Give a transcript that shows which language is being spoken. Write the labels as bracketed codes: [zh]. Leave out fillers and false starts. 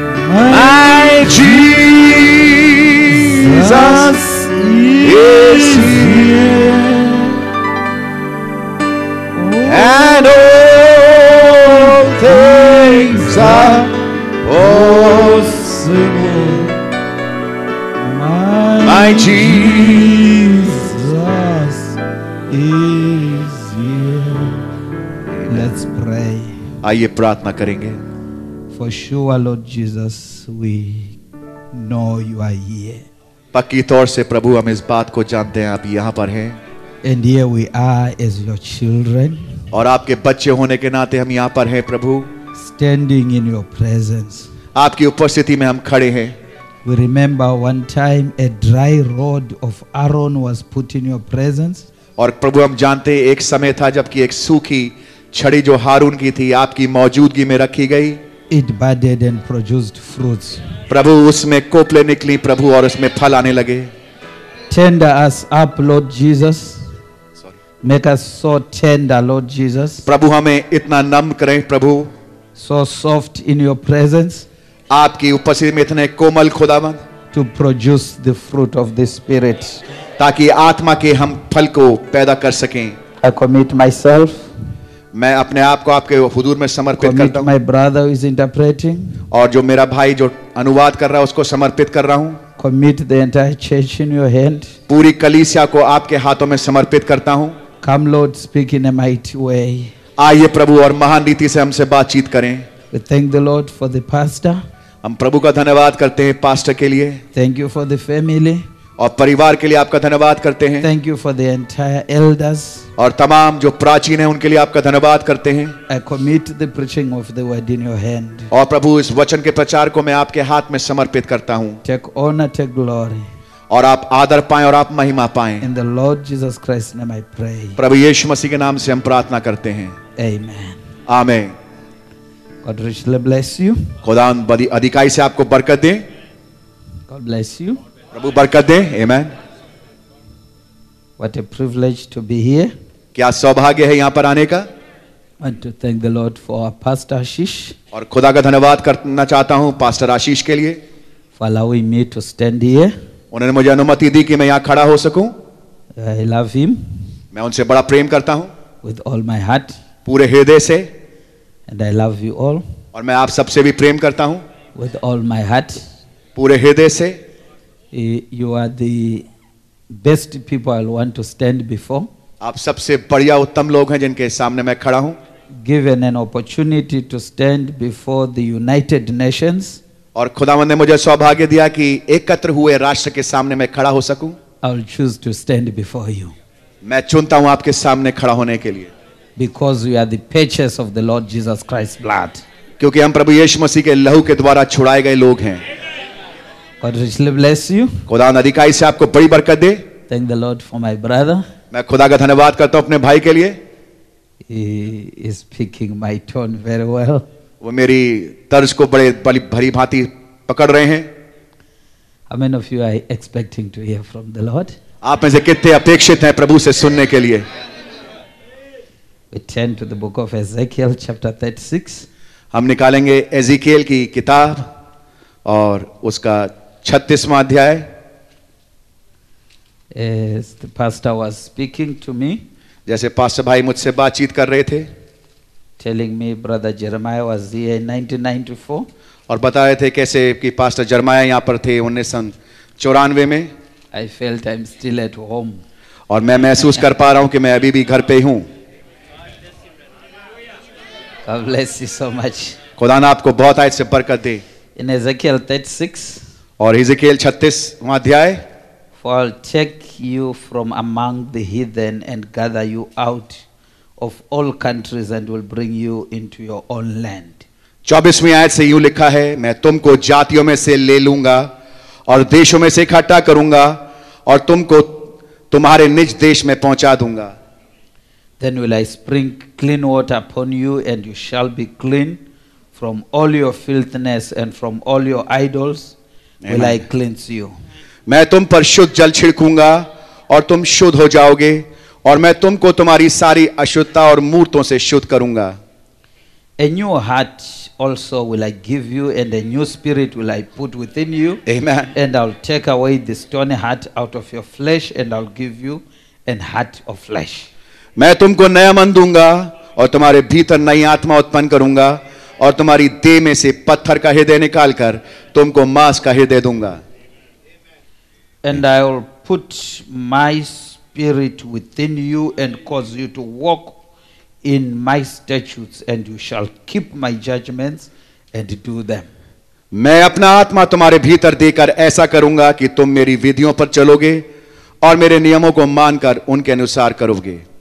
[en] My Jesus is here, and all things are possible. My Jesus is here. Let's pray. [hi] आइए प्रार्थना करेंगे. [en] For sure, Lord Jesus, we know you are here. [hi] पक्की तौर से प्रभु हम इस बात को जानते हैं आप यहाँ पर हैं. [en] And here we are as your children. [hi] और आपके बच्चे होने के नाते हम यहाँ पर हैं प्रभु. [en] Standing in your presence. [hi] आपकी उपस्थिति में हम खड़े हैं. [en] We remember one time a dry rod of Aaron was put in your presence. [hi] और प्रभु हम जानते हैं एक समय था जबकि एक सूखी छड़ी जो हारून की थी आपकी मौजूदगी में रखी गई. [en] It budded and produced fruits. [hi] प्रभु उसमें कोपले निकली प्रभु और उसमें फल आने लगे. [en] Tender us up, Lord Jesus. Make us so tender, Lord Jesus. [hi] प्रभु हमें इतना नम करें प्रभु. [en] So soft in your presence. [hi] आपकी उपस्थिति में इतने कोमल खुदावन. [en] To produce the fruit of the Spirit. [hi] ताकि आत्मा के हम फल को पैदा कर सकें. [en] I commit myself. [hi] मैं अपने आप को आपके हुजूर में समर्पित करता हूँ. [en] My brother is interpreting. [hi] और जो मेरा भाई जो अनुवाद कर रहा है उसको समर्पित कर रहा हूँ. [en] Commit the entire church in your hand. [hi] पूरी कलीसिया को आपके हाथों में समर्पित करता हूँ. [en] Come Lord, speak in a mighty way. [hi] आइए प्रभु और महान रीति से हमसे बातचीत करें. [en] We thank the Lord for the pastor. [hi] हम प्रभु का धन्यवाद करते हैं पास्टर के लिए. [en] Thank you for the family. [hi] और परिवार के लिए आपका धन्यवाद करते हैं. [en] Thank you for the entire elders. [hi] और तमाम जो प्राचीन हैं उनके लिए आपका धन्यवाद करते हैं. [en] I commit the preaching of the word in your hand. [hi] और प्रभु इस वचन के प्रचार को मैं आपके हाथ में समर्पित करता हूँ. [en] Take honor, take glory. [hi] और आप आदर पाएं और आप महिमा पाएं. [en] In the Lord Jesus Christ's name I pray. [hi] प्रभु यीशु मसीह के नाम से हम प्रार्थना करते हैं. [en] Amen. [hi] Amen. [en] God richly bless you. [hi] खुदा बड़ी अधिकाई से आपको बरकत दे. [en] God bless you. [hi] प्रभु बरकत दे. Amen. [en] What a privilege to be here. [hi] क्या सौभाग्य है यहाँ पर आने का. [en] I want to thank the Lord for our Pastor Ashish. [hi] और खुदा का धन्यवाद करना चाहता हूँ पास्टर आशीष के लिए. [en] For allowing me to stand here. [hi] उन्होंने मुझे अनुमति दी कि मैं यहाँ खड़ा हो सकूं. [en] I love him. [hi] मैं उनसे बड़ा प्रेम करता हूँ. [en] With all my heart. [hi] पूरे हृदय से. [en] And I love you all. [hi] और मैं आप सबसे भी प्रेम करता हूँ. [en] With all my heart. [hi] पूरे हृदय से. [en] You are the best people I want to stand before. [hi] आप सबसे बढ़िया उत्तम लोग हैं जिनके सामने मैं खड़ा हूँ. [en] Given an opportunity to stand before the United Nations. [hi] और खुदावंद ने मुझे सौभाग्य दिया कि एकत्र हुए राष्ट्र के सामने मैं खड़ा हो सकूं. [en] I'll choose to stand before you. [hi] मैं चुनता हूं आपके सामने खड़ा होने के लिए. [en] Because we are the purchase of the Lord Jesus Christ's blood. [hi] क्योंकि हम प्रभु यीशु मसीह के लहू के द्वारा छुड़ाए गए लोग हैं. [en] God richly bless you. [hi] खुदा अधिकाई से आपको बड़ी बरकत दे. [en] Thank the Lord for my brother. [hi] मैं खुदा का धन्यवाद करता हूँ अपने भाई के लिए. [en] He is speaking my tone very well. [hi] वो मेरी तर्ज को बड़ी भरी भांति पकड़ रहे हैं. [en] How many of you are expecting to hear from the Lord? [hi] आप में से कितने अपेक्षित हैं प्रभु से सुनने के लिए? [en] We turn to the book of Ezekiel, chapter 36. [hi] हम निकालेंगे एजिकेल की किताब और उसका 36वां अध्याय. [en] As the pastor was speaking to me, [hi] जैसे पास्टर भाई मुझसे बातचीत कर रहे थे, [en] telling me brother Jeremiah was here in 1994, [hi] और बता रहे थे कैसे कि पास्टर जर्माया यहाँ पर थे 1994 में, [en] I felt I'm still at home. [hi] और मैं महसूस कर पा रहा हूँ कि मैं अभी भी घर पे ही हूँ. [en] God bless you so much. [hi] खुदा ने आपको बहुत आयत से बरकत दे. [en] In Ezekiel 36, [hi] और Ezekiel 36 अध्याय. [en] For I'll take you from among the heathen and gather you out of all countries and will bring you into your own land. [hi] 24वीं आयत से यूं लिखा है, मैं तुमको जातियों में से ले लूंगा और देशों में से इकट्ठा करूंगा और तुमको तुम्हारे निज देश में पहुंचा दूंगा. [en] Then will I spring clean water upon you and you shall be clean from all your filthiness and from all your idols. Amen. Will I cleanse you. [hi] मैं तुम पर शुद्ध जल छिड़कूंगा और तुम शुद्ध हो जाओगे और मैं तुमको तुम्हारी सारी अशुद्धता और मूर्तों से शुद्ध करूंगा. [en] A new heart also will I give you and a new spirit will I put within you. Amen. And I'll take away the stony heart out of your flesh and I'll give you an heart of flesh. [hi] मैं तुमको नया मन दूंगा और तुम्हारे भीतर नई आत्मा उत्पन्न करूंगा और तुम्हारी देह में से पत्थर का हृदय निकालकर तुमको मांस का हृदय दूंगा. [en] And I will put my spirit within you and cause you to walk in my statutes and you shall keep my judgments and do them. [hi] मैं अपना आत्मा तुम्हारे भीतर देकर ऐसा करूंगा कि तुम मेरी विधियों पर चलोगे और मेरे नियमों को मानकर उनके अनुसार करोगे.